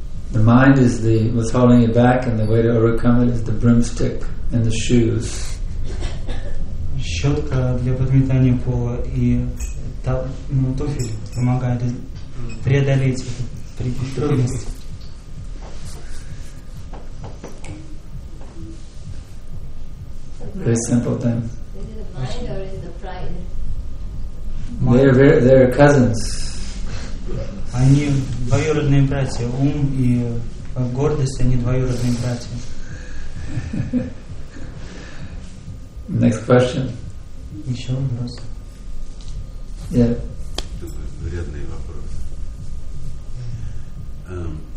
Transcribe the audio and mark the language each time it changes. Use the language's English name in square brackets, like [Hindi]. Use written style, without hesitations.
[English] The mind is the what's holding you back, and the way to overcome it is the broomstick and the shoes. [Russian] Щетка для подметания пола и туфель помогает преодолеть трудность. [English] Very simple thing. Is it the mind or is it the pride? They're cousins. [Russian] Они двоюродные братья, ум и Гордость, они двоюродные братья. [English] Next question. [Russian] Еще вопрос. [English] Yeah. [Russian] Вредный вопрос.